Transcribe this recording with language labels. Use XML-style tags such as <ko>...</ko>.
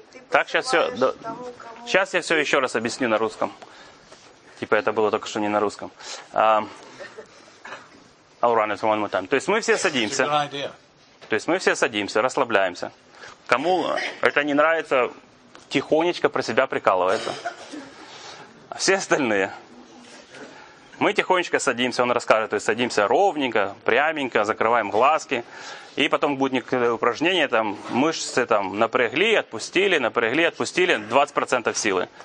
<ru>Так, сейчас я все еще раз объясню на русском. Типа это было только что не на русском.</ru> <en>I'll run it one more time.</en> <ru>То есть мы все садимся. То есть мы все садимся, расслабляемся. Кому это не нравится, тихонечко про себя прикалывается. А все остальные... Мы тихонечко садимся, он расскажет, то есть садимся ровненько, пряменько, закрываем глазки, и потом будет некое упражнение, там мышцы там напрягли, отпустили, 20% силы.</ru>